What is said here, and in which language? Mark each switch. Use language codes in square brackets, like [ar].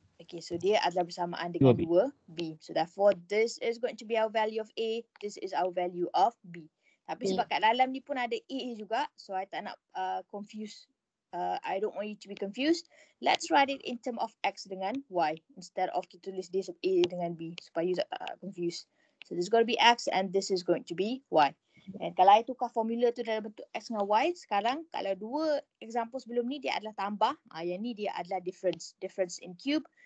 [ms] Okay, so dia adalah bersamaan dengan 2B. [en] So therefore, this is going to be our value of A. This is our value of B. [ms] Tapi sebab kat dalam ni pun ada A juga, so I tak nak confuse. [en] I don't want you to be confused. Let's write it in term of X dengan Y instead of kita tulis this of A dengan B [ms] supaya you tak confuse. [en] So this is going to be X and this is going to be Y. [ms] And kalau I tukar formula tu dalam bentuk X dengan Y, sekarang kalau dua example sebelum ni dia adalah tambah, yang ni dia adalah difference in cube.